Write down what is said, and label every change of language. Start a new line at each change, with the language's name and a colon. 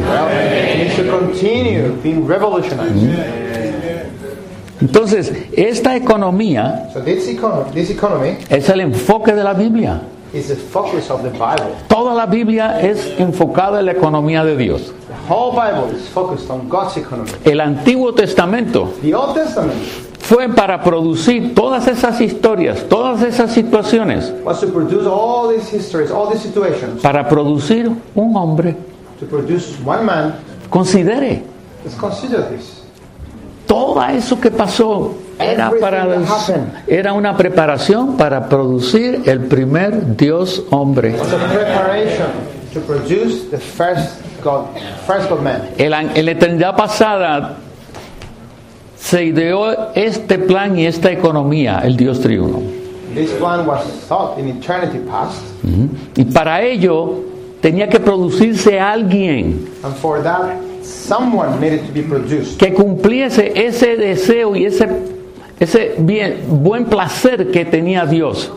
English: Well, it should continue being revolutionized.
Spanish: Entonces, esta economía,
English: so this economy
Spanish: es el enfoque de la Biblia.
English: Is the focus of the Bible.
Spanish: Toda la Biblia es enfocada en la economía de Dios.
English: The whole Bible is focused on God's economy.
Spanish: El Antiguo Testamento.
English: The Old Testament.
Spanish: Fue para producir todas esas historias, todas esas situaciones.
English: Was to produce all these histories, all these situations.
Spanish: Para producir un hombre.
English: To produce one man.
Spanish: Considere.
English: Let's consider this.
Spanish: Todo eso que pasó. Era para era una preparación para producir el primer Dios hombre.
English: It was a preparation to produce the first God man.
Spanish: En la eternidad pasada se ideó este plan y esta economía, el Dios triuno.
English: This plan was thought in eternity past.
Spanish: Y para ello tenía que producirse alguien.
English: And for that, someone needed to be produced.
Spanish: Que cumpliese ese deseo y ese bien, buen placer que tenía Dios.